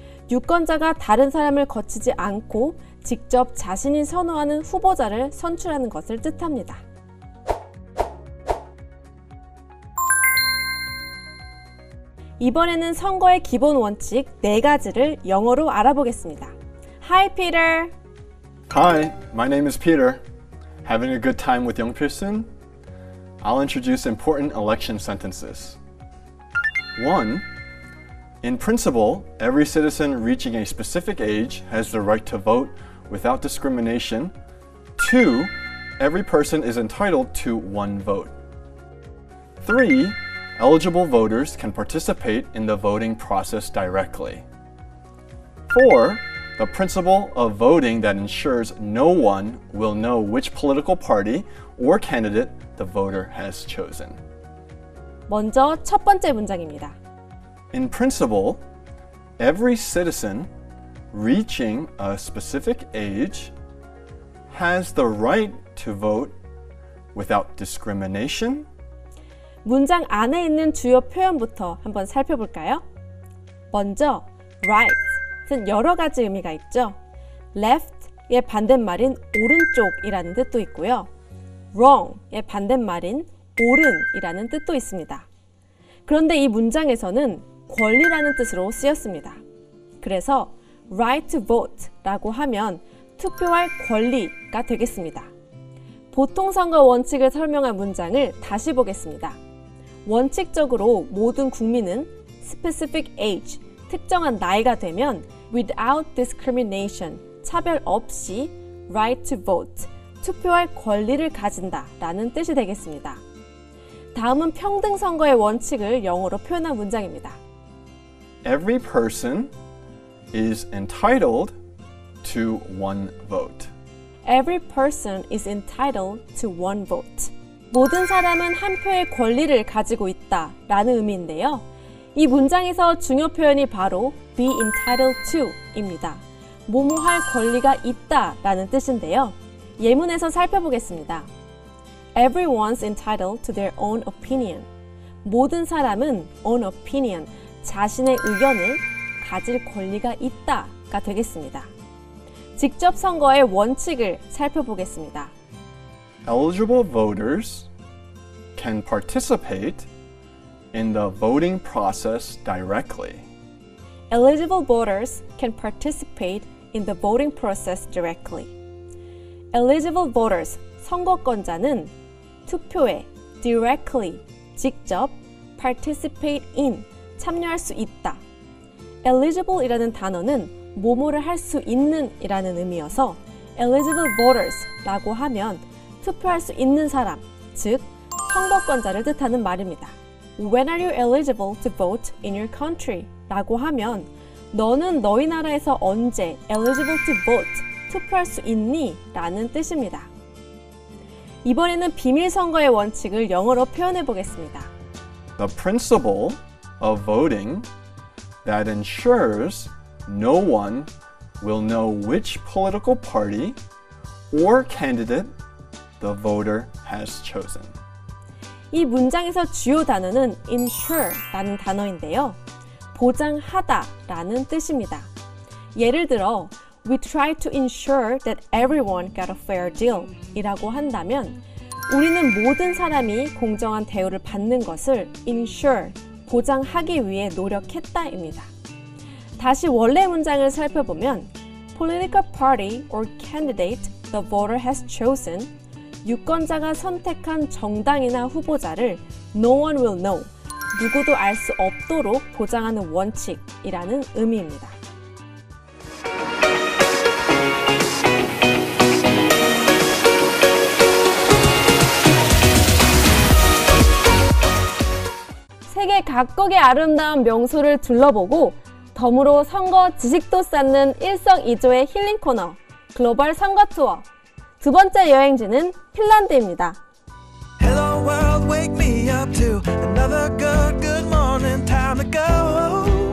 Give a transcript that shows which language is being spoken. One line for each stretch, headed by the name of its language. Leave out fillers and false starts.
Korean: 유권자가 다른 사람을 거치지 않고 직접 자신이 선호하는 후보자를 선출하는 것을 뜻합니다. 이번에는 선거의 기본 원칙 네 가지를 영어로 알아보겠습니다.
English: Hi, Peter. Hi, my name is Peter. Having a good time with young person? I'll introduce important election sentences. One. In principle, every citizen reaching a specific age has the right to vote without discrimination. Two, every person is entitled to one vote. Three, eligible voters can participate in the voting process directly. Four, the principle of voting that ensures no one will know which political party or candidate the voter has chosen.
Korean: 먼저 첫 번째 문장입니다.
English: In principle, every citizen reaching a specific age has the right to vote without discrimination.
Korean: 문장 안에 있는 주요 표현부터 한번 살펴볼까요? 먼저, right은 여러 가지 의미가 있죠. left의 반대말인 오른쪽이라는 뜻도 있고요. wrong의 반대말인 옳은이라는 뜻도 있습니다. 그런데 이 문장에서는 권리라는 뜻으로 쓰였습니다. 그래서 right to vote라고 하면 투표할 권리가 되겠습니다. 보통 선거 원칙을 설명한 문장을 다시 보겠습니다. 원칙적으로 모든 국민은 specific age, 특정한 나이가 되면 without discrimination, 차별 없이 right to vote, 투표할 권리를 가진다라는 뜻이 되겠습니다. 다음은 평등 선거의 원칙을 영어로 표현한 문장입니다.
English: Every person is entitled to one vote. Every person is entitled to one vote.
Korean: 모든 사람은 한 표의 권리를 가지고 있다라는 의미인데요. 이 문장에서 중요 표현이 바로 be entitled to입니다. 뭐뭐 할 권리가 있다라는 뜻인데요. 예문에서 살펴보겠습니다.
English: Everyone's entitled to their own opinion.
Korean: 모든 사람은 own opinion. 자신의 의견을 가질 권리가 있다가 되겠습니다. 직접 선거의 원칙을 살펴보겠습니다.
English: Eligible voters can participate in the voting process directly. Eligible voters can participate in the voting process directly.
Korean: Eligible voters, 선거권자는 투표에 directly, 직접 participate in 참여할 수 있다. Eligible이라는 단어는 뭐뭐를 할수 있는이라는 의미여서 Eligible voters라고 하면 투표할 수 있는 사람, 즉 선거권자를 뜻하는 말입니다.
English: When are you eligible to vote in your country?
Korean: 라고 하면 너는 너희 나라에서 언제 eligible to vote, 투표할 수 있니? 라는 뜻입니다. 이번에는 비밀선거의 원칙을 영어로 표현해 보겠습니다.
English: The principle of voting that ensures no one will know which political party or candidate the voter has chosen.
Korean: 이 문장에서 주요 단어는 ensure라는 단어인데요. 보장하다라는 뜻입니다. 예를 들어,
English: we try to ensure that everyone got a fair deal
Korean: 이라고 한다면 우리는 모든 사람이 공정한 대우를 받는 것을 ensure, 보장하기 위해 노력했다입니다. 다시 원래 문장을 살펴보면
English: political party or candidate the voter has chosen
Korean: 유권자가 선택한 정당이나 후보자를
English: no one will know,
Korean: 누구도 알 수 없도록 보장하는 원칙이라는 의미입니다. 세계 각국의 아름다운 명소를 둘러보고 덤으로 선거 지식도 쌓는 일석이조의 힐링 코너, 글로벌 선거 투어. 두 번째 여행지는 핀란드입니다.
English: Hello world, wake me up to another good, good morning time to go.